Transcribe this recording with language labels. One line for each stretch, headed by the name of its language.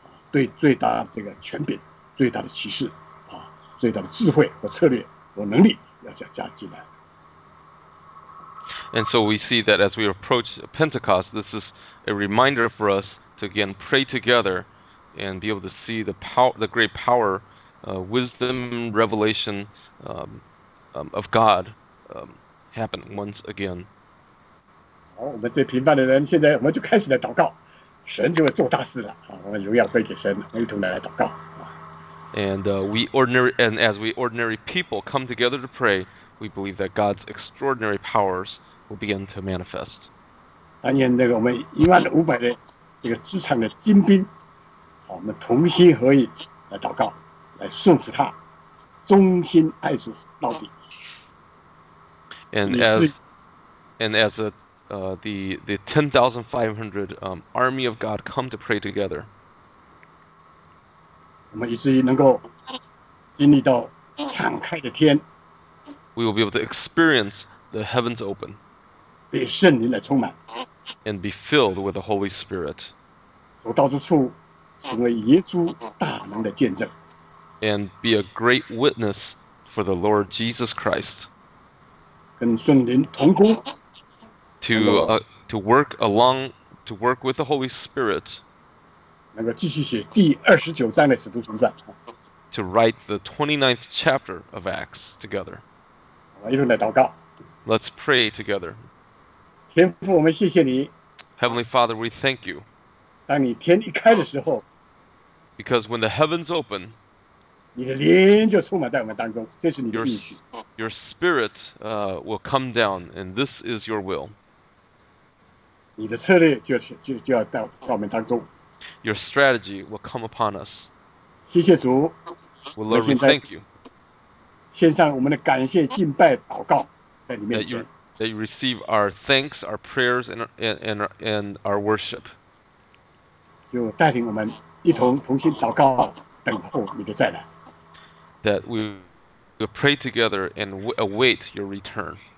Chinese: 对最大这个权柄，最大的启示，啊，最大的智慧和策略和能力，要加进来。
English: And so we see that as we approach Pentecost, this is a reminder for us to again pray together and be able to see the power, the great power, wisdom, revelation, of God, happen once again.
Chinese: 好，我们最平凡的人，现在我们就开始来祷告。神就会做大事了，我们荣耀归给神，我们一同来祷告。
English: And as we ordinary people come together to pray, we believe that God's extraordinary powers will begin to manifest.
Chinese: 当年那个我们15,000的这个职场的精兵，我们同心合意来祷告，来顺服他，忠心爱主到底。
English: The 10,500 army of God come to pray together.
Chinese: 我们以至于能够经历到敞开的天。
English: We will be able to experience the heavens open.
Chinese: 被圣灵来充满。
English: And be filled with the Holy Spirit.
Chinese: 走到之处，成为耶稣大能的见证。
English: And be a great witness for the Lord Jesus Christ.
Chinese: 跟圣灵同工。
English: To work with the Holy Spirit,
Chinese: 能够继续写第二十九章的使徒行传。
English: To write the 29th chapter of Acts together.
Chinese: 我们一同来祷告。
English: Let's pray together.
Chinese: 天父，我们谢谢你。
English: Heavenly Father, we thank you.
Chinese: 当你天一开的时候
English: ，Because when the heavens open,
Chinese: 你的灵就充满在我们当中，这是你的应许。
English: Your spirit will come down, and this is your will.
Chinese: 你的策略就要到我们当中。
English: Your strategy will come upon us.
Chinese: 谢谢主。
English: Well, Lord, we thank you.
Chinese: 献上我们的感谢、敬拜、祷告在你面前。
English: That you receive our thanks, our prayers, and our worship.
Chinese: 就带领我们一同重新祷告，等候你的再来。
English: That we We'll pray together and await your return.